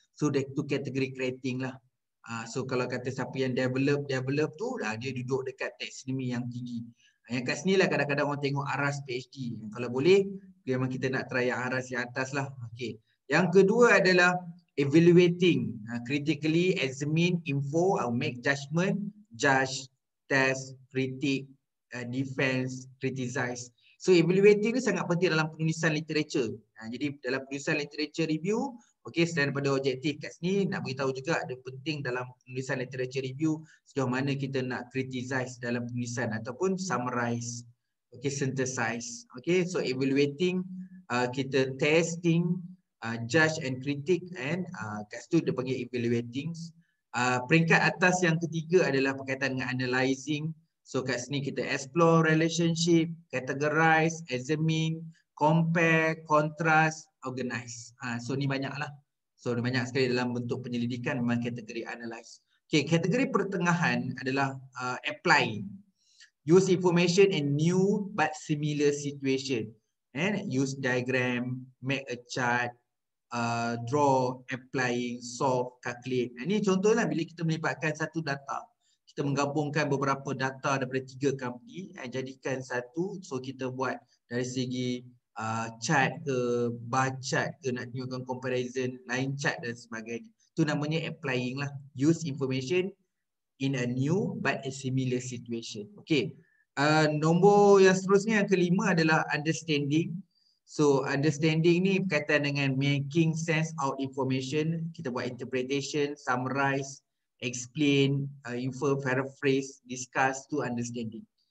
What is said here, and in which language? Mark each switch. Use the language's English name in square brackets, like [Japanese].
[Malay] So that tu kategori creating lah. So kalau kata siapa yang develop tu, dia duduk dekat taxonomy yang tinggi. Yang kat sini lah kadang-kadang orang tengok aras PhD. Kalau boleh, memang kita nak try yang aras yang atas lah. Okay. Yang kedua adalah evaluating. [English] Critically examine info, make judgement, judge, test, critic, defense, criticize. [Malay] So evaluating ni sangat penting dalam penulisan literature. Jadi dalam penulisan literature review, okay, selain daripada objektif kat sini, nak beritahu juga ada penting dalam penulisan literature review sejauh mana kita nak criticize dalam penulisan ataupun summarize. [English] Okay, synthesize. Okay, so evaluating, kita testing, judge and critic, and [Malay] kat situ dia panggil [English] evaluating. [Malay] Peringkat atas yang ketiga adalah berkaitan dengan analyzing. [English] So [Malay] kat sini kita [English] explore relationship, categorize, examine, compare, contrast, organize. [Malay] So ni banyak lah. So ni banyak sekali dalam bentuk penyelidikan memang kategori analyze. Okay, kategori pertengahan adalah apply. [English] Use information in new but similar situation. And use diagram, make a chart, draw, applying, solve, calculate. [Malay] Ini contohnya bila kita melibatkan satu data. Kita menggabungkan beberapa data daripada tiga company and jadikan satu. So kita buat dari segi chart ke, bar chart ke, nak tunjukkan comparison, line chart dan sebagainya. Itu namanya applying lah. [English] Use information in a new but a similar situation. Okay. [Malay] Nombor yang seterusnya, yang kelima adalah understanding. [English] So understanding [Malay] ni berkaitan dengan [English] making sense out information. [Malay] Kita buat [English] interpretation, summarize, explain, infer, paraphrase, discuss to understanding.